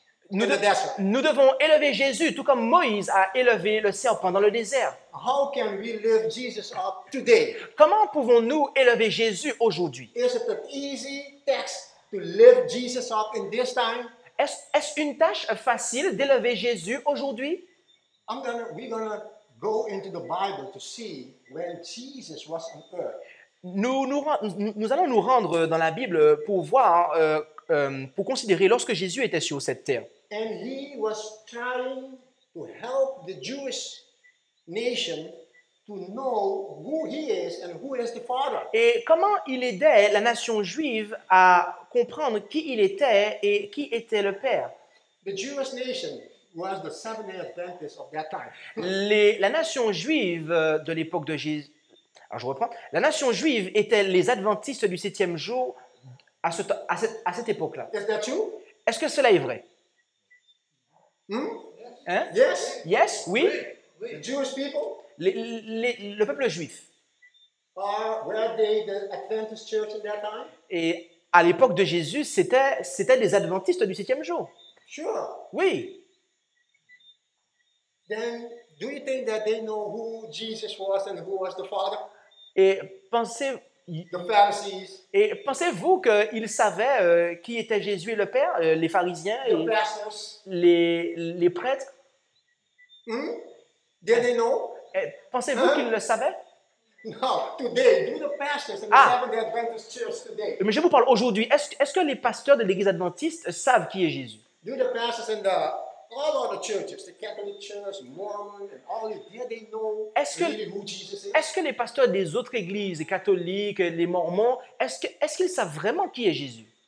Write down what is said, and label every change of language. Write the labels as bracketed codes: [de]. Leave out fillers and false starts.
[fr] Nous devons élever Jésus, tout comme Moïse a élevé le serpent dans le désert. [en] How can we lift Jesus up today? [fr] Comment pouvons-nous élever Jésus aujourd'hui? [en] To lift Jesus up in this time. [fr] Est-ce une tâche facile d'élever Jésus aujourd'hui? [en] We're gonna go into the Bible to see when Jesus was on earth. [fr] Nous allons nous rendre dans la Bible pour voir pour considérer lorsque Jésus était sur cette terre. [en] And he was trying to help the Jewish nation to know who he is and who is the Father. [fr] Et comment il aidait la nation juive à comprendre qui il était et qui était le Père. [en] The Jewish nation was the Seventh-day Adventist of that time. [fr] La nation juive de l'époque de Jésus. Alors je reprends. La nation juive était les Adventistes du septième jour à cette époque-là. [en] Is that true? [fr] Est-ce que cela est vrai? Hein? [en] Yes. Yes. Oui. The Jewish people. [fr] Le peuple juif. [en] Were they the Adventist church at that time? [fr] Et à l'époque de Jésus, c'était les Adventistes du septième jour. [en] Sure. [fr] Oui. [en] Then, do you think that they know who Jesus was and who was the Father? The Pharisees. [fr] Et pensez-vous qu'ils savaient qui était Jésus et le Père, les pharisiens et les prêtres? [en] Did they know? [fr] Et pensez-vous qu'ils le savaient? [en] Now, today, do the pastors in the Seventh-day Adventist church today? [fr] Mais je vous parle aujourd'hui. Est-ce que les pasteurs de l'Église adventiste savent qui est Jésus? [en] Do the pastors in all other churches, the Catholic Church, Mormon, and all these, do they know who Jesus is? [fr] Est-ce que les pasteurs des autres églises, les catholiques, les mormons, est-ce qu'ils savent vraiment qui est Jésus?